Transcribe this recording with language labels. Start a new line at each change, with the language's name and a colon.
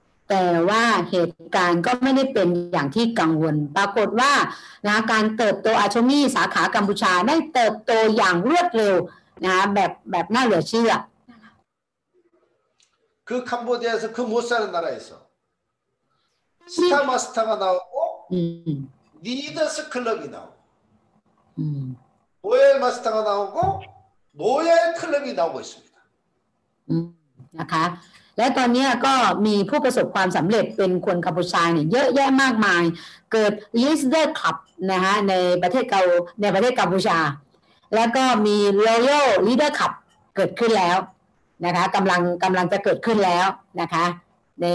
Thai: แต่ว่าเหตุการณ์ก็ไม่ได้เป็นอย่างที่กังวลปรากฏว่านะการเติบโตอาชมีสาขากัมพูชาได้เติบโตอย่างรวดเร็วนะแบบน่าเหลือเชื่อ
Korean: 그캄보디아에서그못사는나라에서스타마스타가나오고리더스클럽이나오고노엘마스터가나오고노엘클럽이나오고있습니다
Thai: นะคะและตอนนี้ก็มีผู้ประสบความสำเร็จเป็นคนกัมพูชาเนี่ยเยอะแยะมากมายเกิดลิสเดอร์คลับนะฮะในประเทศกัมพูชาแล้วก็มีรอยัลลีดเดอร์คลับเกิดขึ้นแล้วนะคะกำลังจะเกิดขึ้นแล้วนะคะนี